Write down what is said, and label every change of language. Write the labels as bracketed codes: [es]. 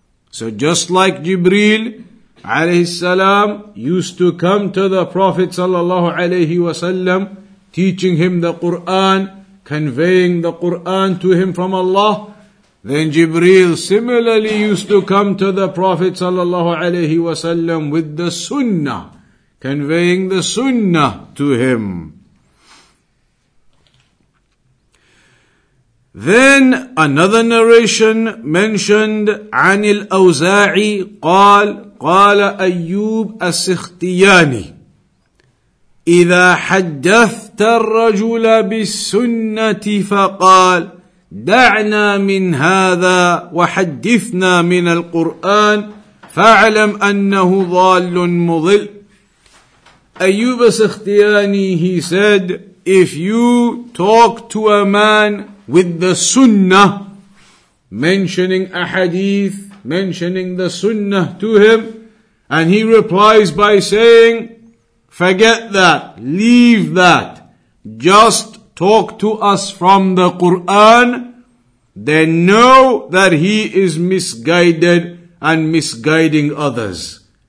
[en] So just like Jibreel alayhi salam used to come to the Prophet sallallahu alayhi wa sallam, teaching him the Quran, conveying the Quran to him from Allah, then Jibreel similarly used to come to the Prophet sallallahu alayhi wa sallam with the Sunnah, conveying the Sunnah to him. Then another narration mentioned, [ar] عن الأوزاعي قال قال أيوب السختياني إذا حدثت الرجل بالسنة فقال دعنا من هذا وحدثنا من القرآن فاعلم أنه ضال مضل. [en] أيوب السختياني, he said, if you talk to a man with the Sunnah, mentioning a hadith, mentioning the Sunnah to him, and he replies by saying, forget that, leave that, just talk to us from the Quran, then know that he is misguided and misguiding others.